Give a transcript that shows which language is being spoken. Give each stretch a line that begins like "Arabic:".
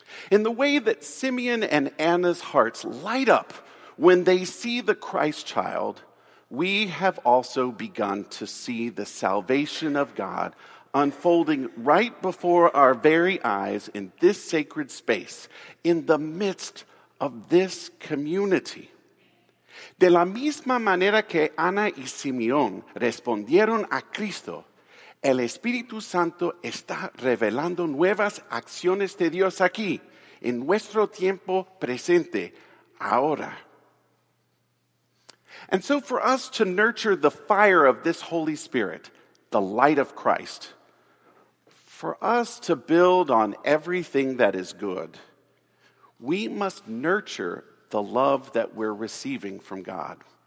English: In the way that Simeon and Anna's hearts light up when they see the Christ child, we have also begun to see the salvation of God unfolding right before our very eyes in this sacred space, in the midst of this community.
Spanish: De la misma manera que Ana y Simeón respondieron a Cristo, el Espíritu Santo está revelando nuevas acciones de Dios aquí, en nuestro tiempo presente, ahora.
English: And so for us to nurture the fire of this Holy Spirit, the light of Christ, for us to build on everything that is good, we must nurture the love that we're receiving from God.